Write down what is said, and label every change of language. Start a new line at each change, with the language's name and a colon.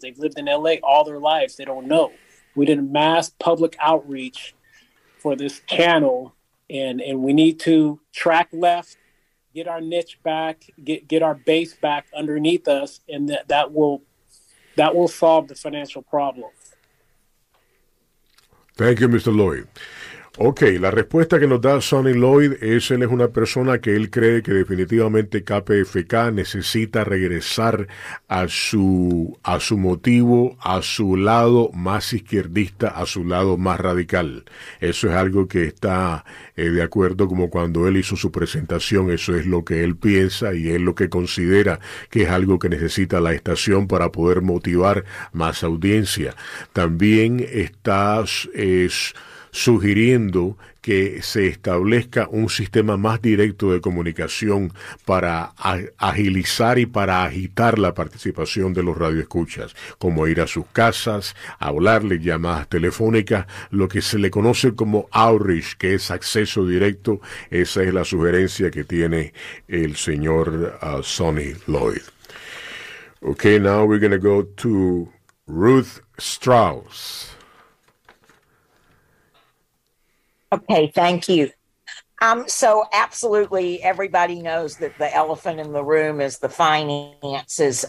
English: They've lived in LA all their lives. They don't know. We did a mass public outreach for this channel, and we need to track left, get our niche back, get our base back underneath us, and that will solve the financial problem. Thank you, Mr. Lloyd.
Spanish: Okay, la respuesta que nos da Sonny Lloyd es, él es una persona que él cree que definitivamente KPFK necesita regresar a su motivo, a su lado más izquierdista, a su lado más radical. Eso es algo que está de acuerdo, como cuando él hizo su presentación, eso es lo que él piensa y es lo que considera que es algo que necesita la estación para poder motivar más audiencia. También está sugiriendo que se establezca un sistema más directo de comunicación para agilizar y para agitar la participación de los radioescuchas, como ir a sus casas, hablarles, llamadas telefónicas, lo que se le conoce como outreach, que es acceso directo. Esa es la sugerencia que tiene el señor Sonny Lloyd.
English: Okay, now we're going to go to Ruth Strauss. Okay, thank you. So absolutely everybody knows that the elephant in the room is the finances.